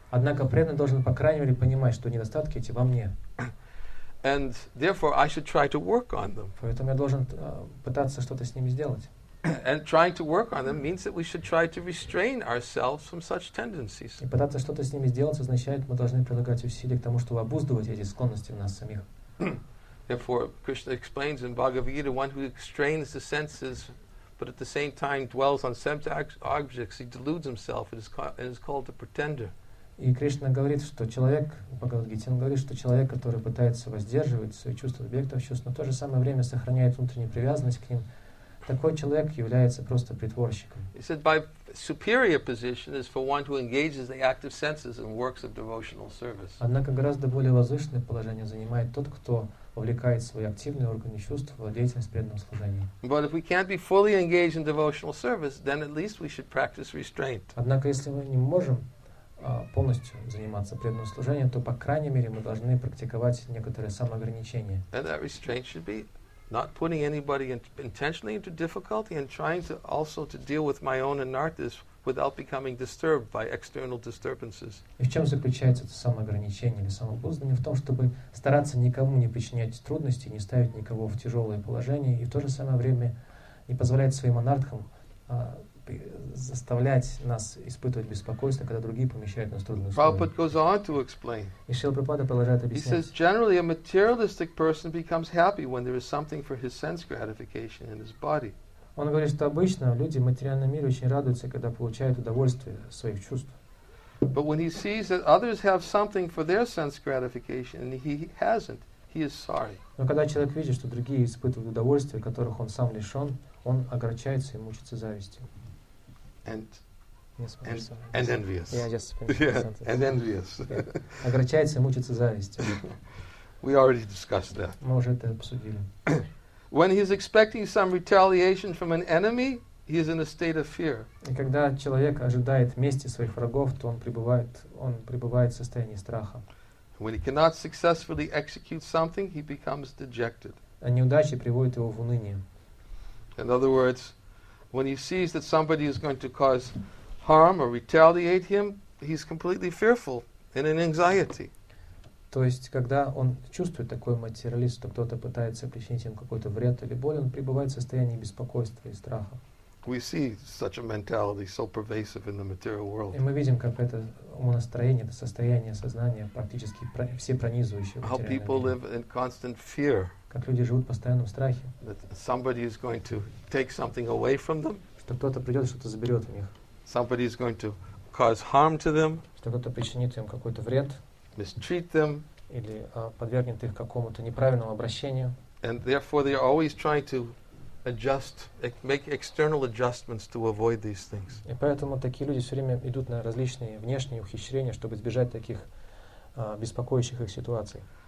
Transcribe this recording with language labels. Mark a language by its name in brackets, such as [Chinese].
[Russian] Однако преданный должен по крайней мере понимать, что недостатки эти во мне. [English] And therefore I should try to work on them. [Russian] Поэтому я должен пытаться что-то с ними сделать. [English] And trying to work on them means that we should try to restrain ourselves from such tendencies. [Russian] И пытаться что-то с ними сделать означает, мы должны прилагать усилия к тому, чтобы обуздывать эти склонности в нас самих. [English] Therefore Krishna explains in Bhagavad Gita, one who restrains the senses but at the same time dwells on sense objects, he deludes himself and is called a pretender. [Russian] И Кришна говорит, что человек, Бхагавад-гита говорит, что человек, который пытается воздерживать свои чувства объектов чувств, но в то же самое время сохраняет внутреннюю привязанность к ним, такой человек является просто притворщиком. [English] He said, by superior position is for one who engages the active senses in works of devotional service. [Russian] Однако гораздо более возвышенное положение занимает тот, кто увлекает свои активные органы чувств в деятельность преданного служения. [English] But if we can't be fully engaged in devotional service, then at least we should practice restraint. [Russian] Однако если мы не можем полностью заниматься преданным служением, то по крайней мере мы должны практиковать некоторые самоограничения. [English] And that restraint should be not putting anybody intentionally into difficulty and trying to also to deal with my own anarthas without becoming disturbed by external disturbances. [Russian] И в чем заключается это самоограничение или самообуздание? В том, чтобы стараться никому не причинять трудности, не ставить никого в тяжелое положение, и в то же самое время не позволять своим анартхам заставлять нас испытывать беспокойство, когда другие помещают нас в трудные условия. [English] Prabhupada goes on to explain. [Russian] И Шрила Прабхупада продолжает объяснять. [English] He says, generally a materialistic person becomes happy when there is something for his sense gratification in his body. [Russian] Он говорит, что обычно люди в материальном мире очень радуются, когда получают удовольствие своих чувств. [English] But when he sees that others have something for their sense gratification and he hasn't, he is sorry. [Russian] Но когда человек видит, что другие испытывают удовольствие, которых он сам лишен, он огорчается и мучится завистью. [English] And envious. [Russian] Огорчается и мучится завистью. [English] We already discussed that. [Russian] Мы уже это обсудили. [English] When he is expecting some retaliation from an enemy, he is in a state of fear. [Russian] И когда человек ожидает мести своих врагов, то он пребывает в состоянии страха. [English] When he cannot successfully execute something, he becomes dejected. [Russian] А неудача приводит его в уныние. [English] In other words, when he sees that somebody is going to cause harm or retaliate him, he's completely fearful and in anxiety. [Russian] То есть, когда он чувствует такой материализм, что кто-то пытается причинить ему какой-то вред или боль, он пребывает в состоянии беспокойства и страха. [English] We see such a mentality so pervasive in the material world. [Russian] И мы видим, как это умонастроение, это состояние сознания практически всепронизывающее. [English] How people live in constant fear. [Russian] Как люди живут в постоянном страхе. [English] That somebody is going to take something away from them. [Russian] Что кто-то придет и что-то заберет у них. [English] Somebody is going to cause harm to them. [Russian] Что кто-то причинит им какой-то вред. [English] Mistreat them. [Russian] Или подвергнет их какому-то неправильному обращению. [English] And therefore they are always trying to adjust, make external adjustments to avoid these things. [Russian] И поэтому такие люди все время идут на различные внешние ухищрения, чтобы избежать таких беспокоящих их ситуаций.